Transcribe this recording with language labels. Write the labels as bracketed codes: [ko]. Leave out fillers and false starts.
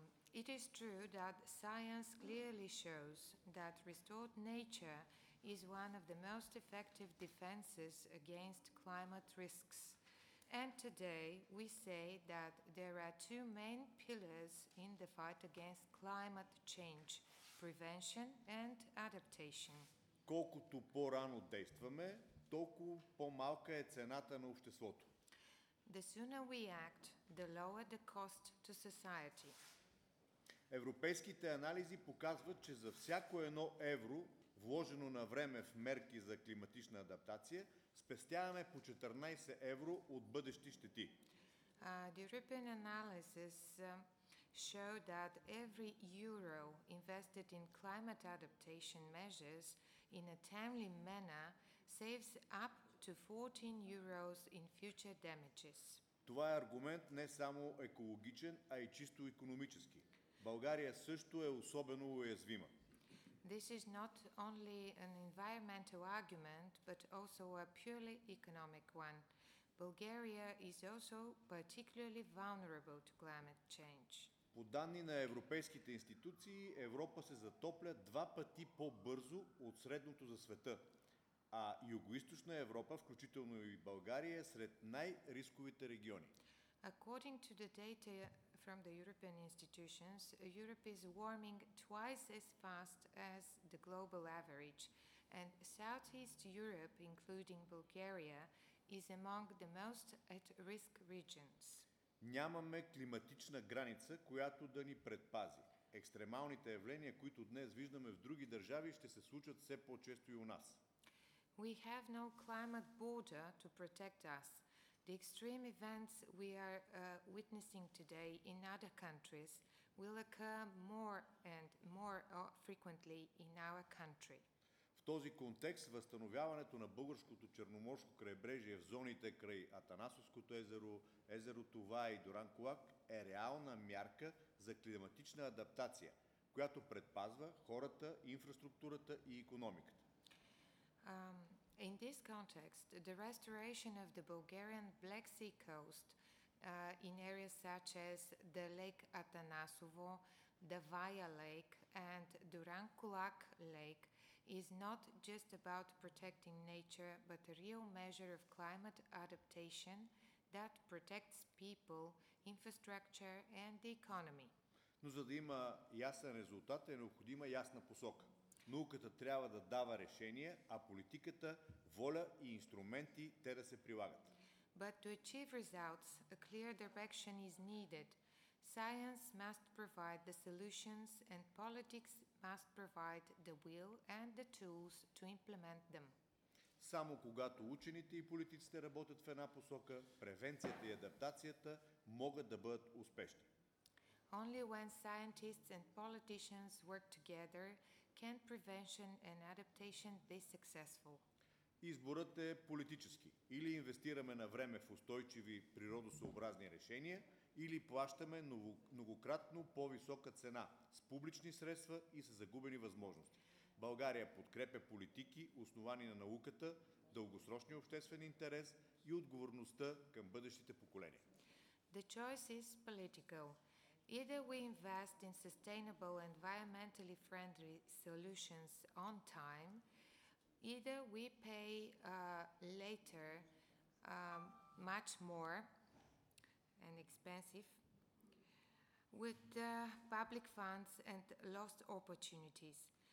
[en] It is true that science clearly shows that restored nature is one of the most effective defenses against climate risks. And today we say that there are two main pillars in the fight against climate change: prevention and adaptation. [bg] Колкото по-рано действаме, толкова по-малка е цената на обществото. [en] The sooner we act, the lower the cost to society. [bg] Европейските анализи показват, че за всяко едно евро, вложено на време в мерки за климатична адаптация, спестяваме по 14 евро от бъдещи щети. [en] The European analysis showed that every euro invested in climate adaptation measures in a timely manner saves up to 14 euros in future damages. [bg] Това е аргумент не само екологичен, а и чисто икономически. България също е особено уязвима. [en] This is not only an environmental argument, but also a purely economic one. Bulgaria is also particularly vulnerable to climate change. [bg] По данни на европейските институции, Европа се затопля два пъти по-бързо от средното за света, а Югоизточна Европа, включително и България, сред най-рисковите региони. [en] According to the data from the European institutions, Europe is warming twice as fast as the global average, and Southeast Europe, including Bulgaria, is among the most at-risk regions. [bg] Нямаме климатична граница, която да ни предпази. Екстремалните явления, които днес виждаме в други държави, ще се случат все по-често и у нас. [en] We have no climate border to protect us. The extreme events we are witnessing today in other countries will occur more and more frequently in our country. [bg] В този контекст възстановяването на българското черноморско крайбрежие в зоните край Атанасовското езеро, езеро Това и Дуранкулак е реална мярка за климатична адаптация, която предпазва хората, инфраструктурата и икономиката. [en] In this context, the restoration of the Bulgarian Black Sea coast in areas such as the Lake Atanasovo, the Vaia Lake and Durankulak Lake is not just about protecting nature, but a real measure of climate adaptation that protects people, infrastructure and the economy. [bg] Но за да има ясен резултат, е необходима ясна посока. Науката трябва да дава решения, а политиката – воля и инструменти те да се прилагат. [en] But to achieve results, a clear direction is needed. Science must provide the solutions and politics must provide the will and the tools to implement them. [bg] Само когато учените и политиците работят в една посока, превенцията и адаптацията могат да бъдат успешни. [en] Only when scientists and politicians work together can prevention and adaptation be successful. [bg] Изборът е политически. Или инвестираме на време в устойчиви природосъобразни решения, или плащаме многократно по-висока цена с публични средства и с загубени възможности. България подкрепя политики, основани на науката, дългосрочния обществен интерес и отговорността към бъдещите поколения. [en] The choice is political. Either we invest in sustainable, environmentally friendly solutions on time, either we pay later much more and expensive with public funds and lost opportunities.